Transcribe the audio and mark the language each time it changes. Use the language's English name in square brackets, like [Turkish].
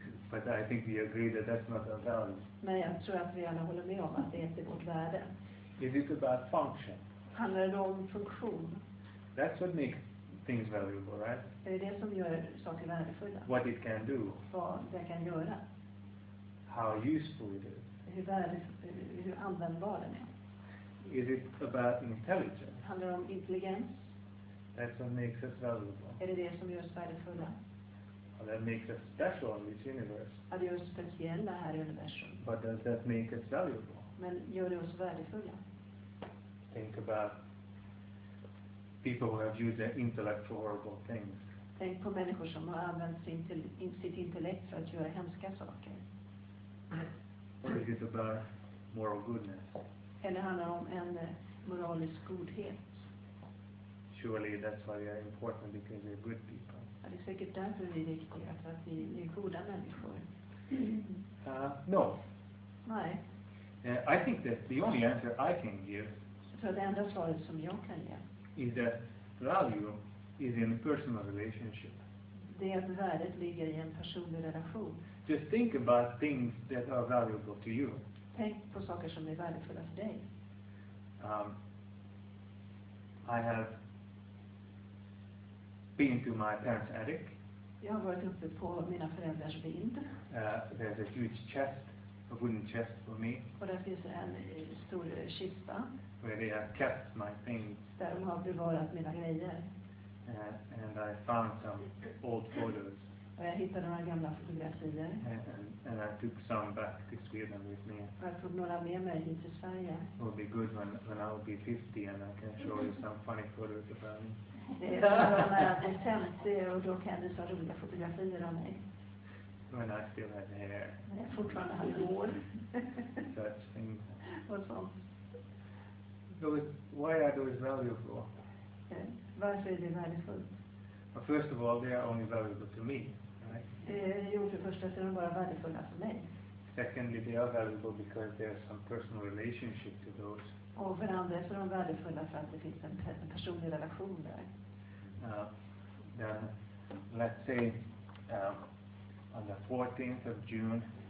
[English] But I think we agree that that's not our value. [Swedish] Men jag tror att vi alla håller med om att det inte är vårt värde. [English] Is it about function? [Swedish] Handlar det om funktion? [English] That's what makes things valuable, right? [Swedish] Det är det som gör saker värdefulla. [English] What it can do. [Swedish] Vad det kan göra. [English] How useful it is. [Swedish] Hur användbar den är. [English] Is it about intelligence? [Swedish] Handlar det om intelligens? [English] That's what makes us valuable. [Swedish] Är det det som gör oss värdefulla? [English] Well, that makes us special in this universe. [Swedish] Ja, det gör oss speciella här i universum. [English] But does that make us valuable? [Swedish] Men gör det oss värdefulla? [English] Think about people who have used their intellect for horrible things. [Swedish] Tänk på människor som har använt sitt intellekt för att göra hemska saker. [English] Or is it about moral goodness? [Swedish] Eller handlar om en moralisk godhet? [English] Surely that's why we are important, because we're good people. [Swedish] Ja, det är säkert därför vi är viktiga, för att vi är goda människor. [English] No. [Swedish] Nej. [English] I think that the only answer I can give. [Swedish] Så det enda svaret som jag kan ge. [English] Is that value is in personal relationship. [Swedish] Det är att värdet ligger i en personlig relation. [English] Just think about things that are valuable to you. [Swedish] Tänk på saker som är värdefulla för dig. [English] I have been to my parents' attic. [Swedish] Jag har varit uppe på mina föräldrars vind. [English] There's a huge chest, a wooden chest for me. [Swedish] Och där finns en stor kista. [English] Where they have kept my things. [Swedish] Där de har bevarat mina grejer. [English] And I found some old photos. [Swedish] Och jag hittade några gamla fotografier. [English] And I took some back to Sweden with me. [Swedish] Och jag tog några med mig hit till Sverige. [English] It will be good when I will be 50 and I can show you some funny photos about me. [Swedish] Det är bra när jag blir 50 och då kan du visa roliga fotografier av mig. [English] When I still had hair. [Swedish] När jag fortfarande hade hår. [English] Such things. [Swedish] Och sånt. [English] Why are those valuable? [Swedish] Varför är det värdefullt? [English] Well, first of all, they are only valuable to me, right? [Swedish] Jo, för första så är de bara värdefulla för mig. [English] Secondly, they are valuable because there is some personal relationship to those. [Swedish] Och för andra så är de värdefulla för att det finns en personlig relation där. [English] Then, let's say, on the 14th of June.